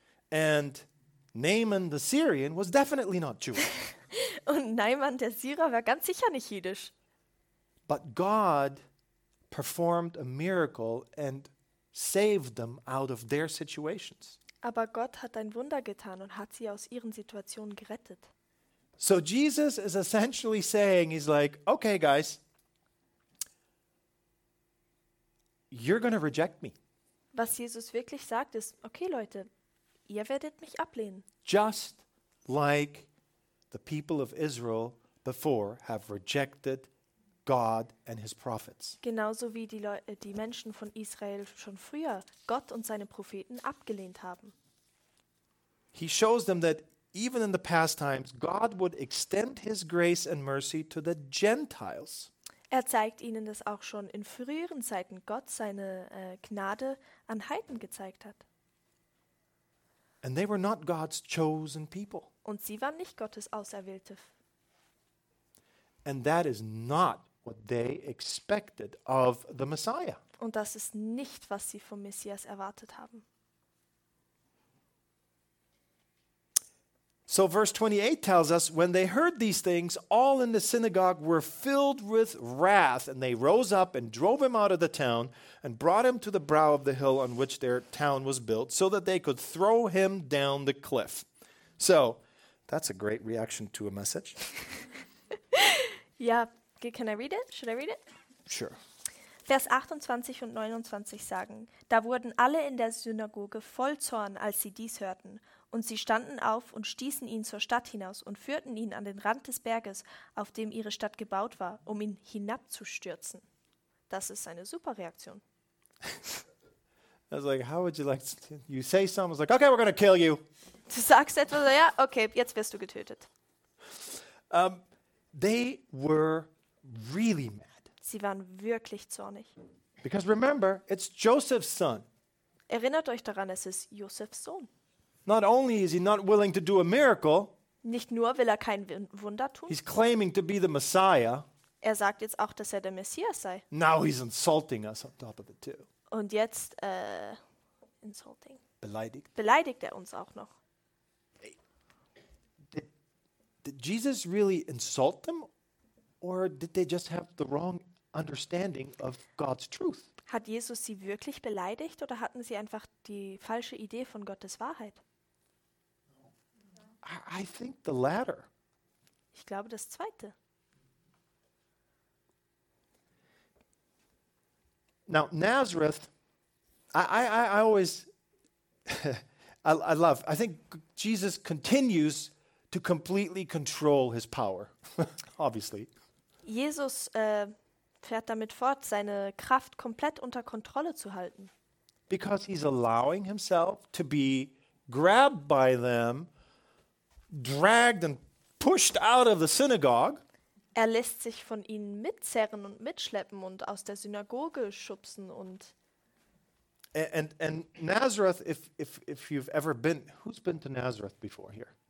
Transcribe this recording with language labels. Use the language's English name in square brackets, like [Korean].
[English] And Naaman the Syrian was definitely not Jewish. [German] Und Naaman der Syrer war ganz sicher nicht jüdisch. [English] But God performed a miracle and saved them out of their situations. [German] Aber Gott hat ein Wunder getan und hat sie aus ihren Situationen gerettet. [English] So Jesus is essentially saying, he's like, okay guys, you're going to reject me. [German] Was Jesus wirklich sagt ist, okay Leute, ihr werdet mich ablehnen. [English] Just like the people of Israel before have rejected God and his prophets. [German] Genauso wie die Menschen von Israel schon früher Gott und seine Propheten abgelehnt haben. [English] He shows them that even in the past times God would extend his grace and mercy to the Gentiles. [German] Er zeigt ihnen, dass auch schon in früheren Zeiten Gott seine Gnade an Heiden gezeigt hat. [English] And they were not God's chosen people. [German] Und sie waren nicht Gottes Auserwählte. [English] And that is not what they expected of the Messiah. [German] Und das ist nicht, was sie vom Messias erwartet haben. [English] So verse 28 tells us, when they heard these things, all in the synagogue were filled with wrath, and they rose up and drove him out of the town and brought him to the brow of the hill on which their town was built, so that they could throw him down the cliff. So, that's a great reaction to a message. Yeah. Can I read it? Should I read it? Sure. [German] Vers 28 und 29 sagen, da wurden alle in der Synagoge voll Zorn, als sie dies hörten. Und sie standen auf und stießen ihn zur Stadt hinaus und führten ihn an den Rand des Berges, auf dem ihre Stadt gebaut war, um ihn hinabzustürzen. Das ist eine super Reaktion. [English] I was like, how would you like to, you say something, I was like, okay, we're gonna kill you. [German] Du sagst etwas, ja, okay, jetzt wirst du getötet. [English] They were really mad. [German] Sie waren wirklich zornig. [English] Because remember, it's Joseph's son. [German] Erinnert euch daran, es ist Josefs Sohn. [English] Not only is he not willing to do a miracle. [German] Nicht nur will er kein Wunder tun. [English] He's claiming to be the Messiah. [German] Er sagt jetzt auch, dass er der Messias sei. [English] Now he's insulting us on top of it too. [German] Und jetzt insulting. Beleidigt er uns auch noch. [English] Did Jesus really insult them? Or did they just have the wrong understanding of God's truth? [German] Hat Jesus sie wirklich beleidigt oder hatten sie einfach die falsche Idee von Gottes Wahrheit? [English] I think the latter. [German] Ich glaube das Zweite. [English] Now Nazareth, I always, I love. I think Jesus continues to completely control his power, obviously. [German] Jesus fährt damit fort, seine Kraft komplett unter Kontrolle zu halten. [English] Because he's allowing himself to be grabbed by them, dragged and pushed out of the synagogue. [German] Er lässt sich von ihnen mitzerren und mitschleppen und aus der Synagoge schubsen und [English] And Nazareth, if you've ever been, who's been to Nazareth before here?